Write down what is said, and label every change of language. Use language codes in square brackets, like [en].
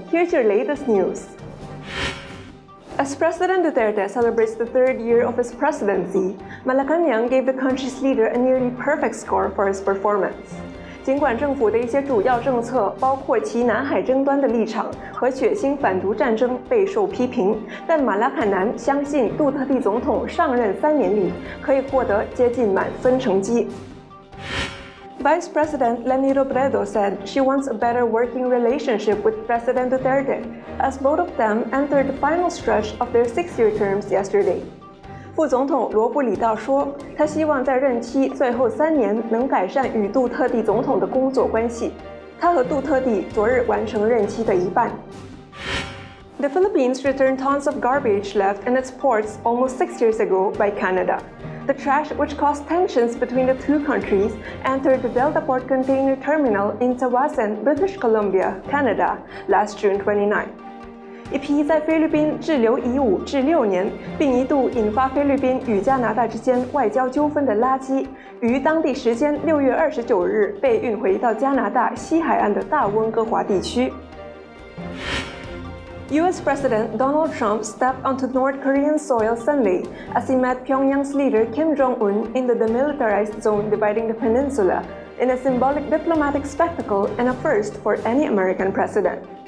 [en] Here's your latest news. As President Duterte celebrates the third year of his presidency, Malacañang gave the country's leader a nearly perfect score for his performance. [zh] 尽管政府的一些主要政策，包括其南海争端的立场和血腥反毒战争备受批评，但马拉坎南相信杜特蒂总统上任3年里可以获得接近满分成绩。 [en] Vice President Leni Robredo said she wants a better working relationship with President Duterte, as both of them entered the final stretch of their 6-year terms yesterday. [zh] 副总统罗布里道说，他希望在任期最后3年能改善与杜特蒂总统的工作关系。他和杜特蒂昨日完成任期的一半。 [en] The Philippines returned tons of garbage left in its ports almost 6 years ago by Canada. The trash, which caused tensions between the two countries, entered the Delta Port Container Terminal in Tawasan, British Columbia, Canada, last June 29th. [zh] 一批在菲律宾滞留已5至6年，并一度引发菲律宾与加拿大之间外交纠纷的垃圾，于当地时间6月29日被运回到加拿大西海岸的大温哥华地区。 [en] U.S. President Donald Trump stepped onto North Korean soil Sunday as he met Pyongyang's leader Kim Jong-un in the demilitarized zone dividing the peninsula in a symbolic diplomatic spectacle and a first for any American president.